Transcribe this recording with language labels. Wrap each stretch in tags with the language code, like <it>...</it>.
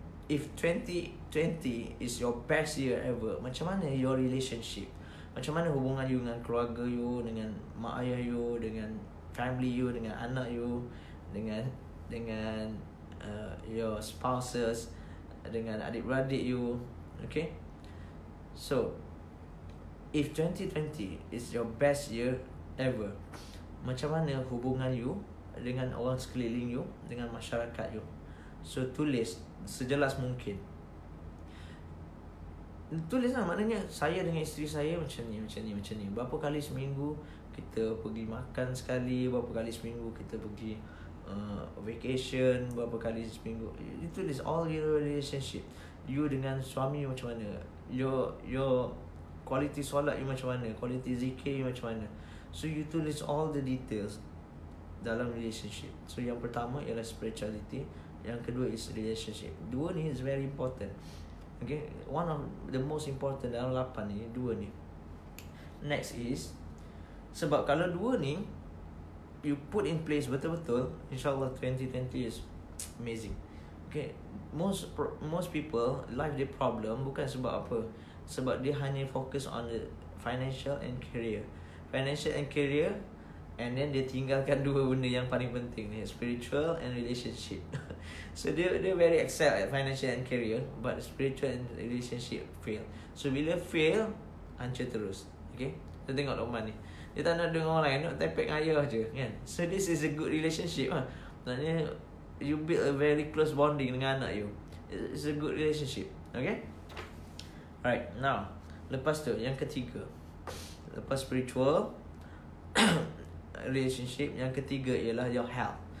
<en>If 2020 is your best year ever,</en> <ms>macam mana</ms> <en>your relationship?</en> <ms>Macam mana hubungan you dengan keluarga you, dengan mak ayah you, dengan family you, dengan anak you, dengan your spouses, dengan adik-beradik you.</ms> <en>Okay? So, if 2020 is your best year ever,</en> <ms>macam mana hubungan you dengan orang sekeliling you, dengan masyarakat you? So, tulis sejelas mungkin. Tulislah, maknanya saya dengan isteri saya macam ni, macam ni, macam ni. Berapa kali seminggu kita pergi makan sekali, berapa kali seminggu kita pergi vacation, berapa kali seminggu.</ms> <en>Itu is all your relationship.</en> <ms>You dengan suami you macam mana? Your quality solat you macam mana? Quality zikir you macam mana?</ms> <en>So you tulis all the details dalam relationship.</en> <ms>So yang pertama ialah spirituality, yang kedua</ms> <en>is relationship. Dua ni is very important. Okay, one of the most important</en> <ms>dalam 8 ni, dua ni.</ms> <en>Next is,</en> <ms>sebab kalau dua ni</ms> <en>you put in place betul-betul, insyaAllah 2020 is amazing. Okay, most people life</en> <ms>dia problem bukan sebab apa, sebab dia hanya</ms> <en>focus on the financial and career. Financial and career, and then</en> <ms>dia tinggalkan dua benda yang paling penting ni,</ms> <en>spiritual and relationship. So dia very excel at financial and career, but spiritual and relationship fail.</en> <ms>So bila fail, hancur terus. Okay, kita tengok Luqman ni. Dia tak nak dengan orang lain, nak tepek dengan ayah je kan?</ms> <en>So this is a good relationship</en> <ms>lah.</ms> <en>Maksudnya you build a very close bonding</en> <ms>dengan anak you.</ms> <en>It's a good relationship. Okay.</en> <ms>Alright, now lepas tu, yang ketiga, lepas spiritual relationship, yang ketiga ialah</ms> <en>your health.</en>